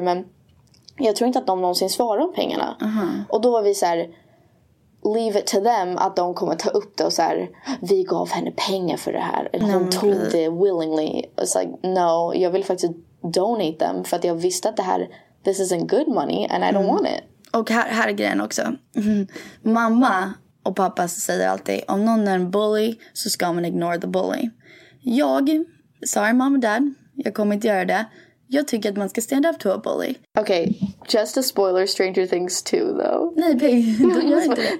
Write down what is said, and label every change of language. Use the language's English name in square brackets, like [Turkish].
[Swedish] Men jag tror inte att de någonsin svarar om pengarna. Uh-huh. Och då var vi såhär, [English] leave it to them [Swedish] att de kommer ta upp det. Och såhär, vi gav henne pengar för det här. Eller hon tog det willingly. [English] It's like, no, [Swedish] jag vill faktiskt donate dem. För att jag visste att det här... [English] This isn't good money and I don't want it. [Swedish] Och här är grejen också. Mamma och pappa säger alltid, om någon är en bully så ska man [English] ignore the bully. [Swedish] Jag, [English] sorry mom and dad, [Swedish] jag kommer inte göra det. Jag tycker att man ska [English] stand up to a bully. Okay, just a spoiler, Stranger Things 2 though. [Swedish] Nej, Peg, du gör inte det.